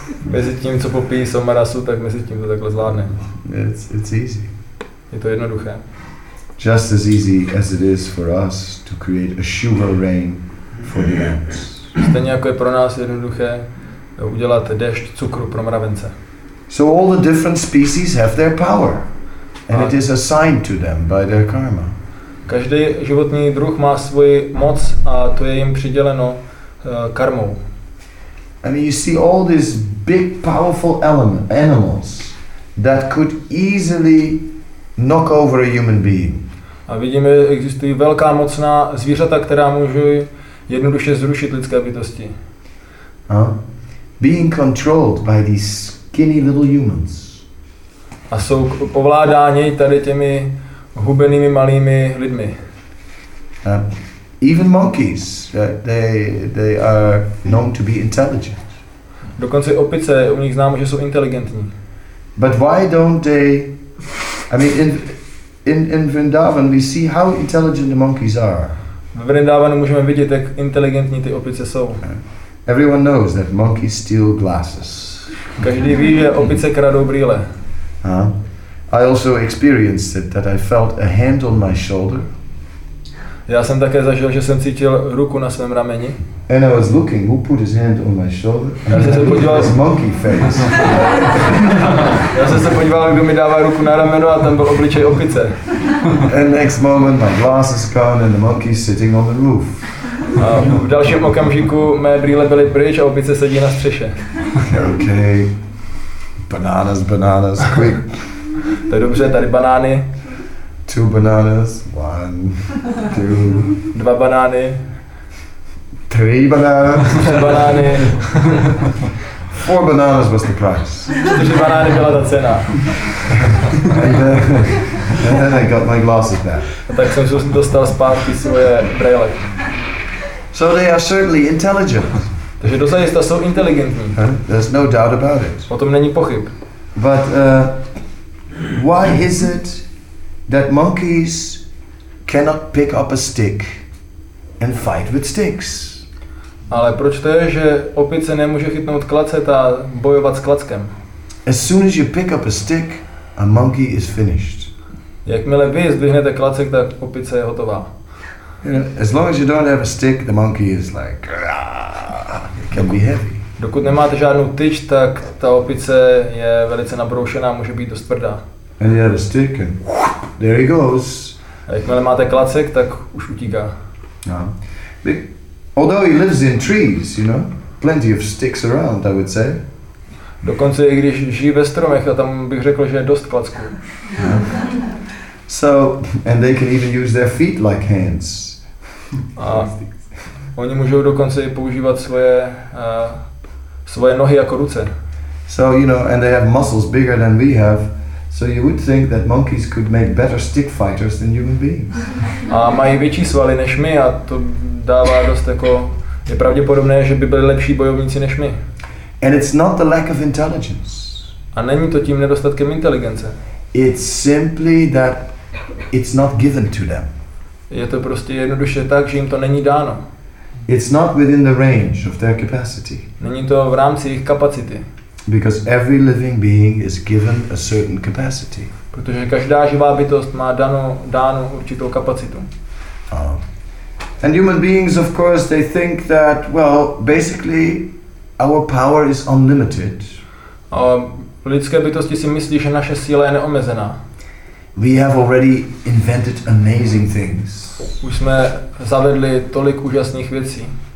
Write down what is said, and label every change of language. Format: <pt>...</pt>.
<cs>Mezi tím, co popíjí somarasu, tak mezi tím to takhle zvládne.</cs> <en>It's easy.</en> <cs>Je to jednoduché.</cs> <en>Just as easy as it is for us to create a sugar rain for the ants.</en> <cs>Stejně jako je pro nás jednoduché udělat déšť cukru pro mravence.</cs> <en>So all the different species have their power, and it is assigned to them by their karma.</en> <cs>Každý životní druh má svoji moc a to je jim přiděleno karmou.</cs> <en>I mean, you see all these big, powerful animals that could easily knock over a human being.</en> <cs>A vidíme, že existují velká mocná zvířata, která můžou jednoduše zrušit lidské bytosti.</cs> <en>Being controlled by these skinny little humans.</en> <cs>A jsou ovládáni tady těmi hubenými malými lidmi.</cs> <en>Even monkeys, they are known to be intelligent.</en> <cs>Dokonce opice, u nich známo, že jsou inteligentní.</cs> <en>But why don't they? I mean, in Vrindavan we see how intelligent the monkeys are.</en> <cs>V Vrindavanu můžeme vidět, jak inteligentní ty opice jsou.</cs> <en>Everyone knows that monkeys steal glasses.</en> <cs>Každý ví, že opice kradou brýle.</cs> <en>I also experienced it that I felt a hand on my shoulder.</en> <cs>Já jsem také zažil, že jsem cítil ruku na svém rameni.</cs> <en>And I was looking, who put his hand on my shoulder?</en> <cs>Já jsem se podíval,</cs> <en>his monkey face.</en> <cs>Já jsem se podíval, kdo mi dává ruku na rameno, a tam byl obličej opice.</cs> <en>And next moment my glasses gone and the monkey sitting on the roof.</en> <cs>A v dalším okamžiku mé brýle byly pryč a opice sedí na střeše.</cs> <en>Okay. Bananas, quick.</en> <cs>To je dobře, tady banány.</cs> <en>Two bananas, one, two.</en> <cs>Dva banány. Tři banány. Tři banány.</cs> <en>Four bananas was the price.</en> <cs>Čtyři banány byla ta cena.</cs> <en>And then I got my glasses back.</en> <cs>A tak jsem si dostal zpátky svoje brýle.</cs> <en>So they are certainly intelligent.</en> <cs>Takže dosadista jsou inteligentní.</cs> <en>There's no doubt about it.</en> <cs>O tom není pochyb.</cs> <en>But why is it that monkeys cannot pick up a stick and fight with sticks?</en> <cs>Ale proč to je, že opice nemůže chytnout klacet a bojovat s klackem?</cs> <en>As soon as you pick up a stick, a monkey is finished.</en> <cs>Jakmile vy zdvihnete klacek, tak opice je hotová.</cs> <en>As long as you don't have a stick, the monkey is like, it can be heavy.</en> <cs>Dokud nemáte žádnou tyč, tak ta opice je velice nabroušená, může být dost tvrdá.</cs> <en>And you have a stick and there he goes.</en> <cs>A jakmile máte klacek, tak už utíká.</cs> <en>Although he lives in trees, you know, plenty of sticks around, I would say.</en> <cs>Dokonce i když žije ve stromech, a tam bych řekl, že je dost klacků.</cs> <en>So, and they can even use their feet like hands.</en> <cs>A oni můžou dokonce i používat svoje svoje nohy jako ruce.</cs> <en>So, you know, and they have muscles bigger than we have. So you would think that monkeys could make better stick fighters than human beings.</en> <cs>A mají větší svaly než my, a to dává dost jako je pravděpodobné, že by byli lepší bojovníci než my.</cs> <en>And it's not the lack of intelligence.</en> <cs>A není to tím nedostatkem inteligence.</cs> <en>It's simply that it's not given to them.</en> <cs>Je to prostě jednoduše tak, že jim to není dáno.</cs> <en>It's not within the range of their capacity.</en> <cs>Není to v rámci jejich kapacity.</cs> <en>Because every living being is given a certain capacity.</en> <cs>Protože každá živá bytost má danou určitou kapacitu.</cs> <en>And human beings, of course, they think that, well, basically, our power is unlimited.</en> <cs>Lidské bytosti si myslí, že naše síla je neomezená.</cs> <en>We have already invented amazing things.</en> <cs>Už jsme zavedli tolik úžasných věcí.</cs>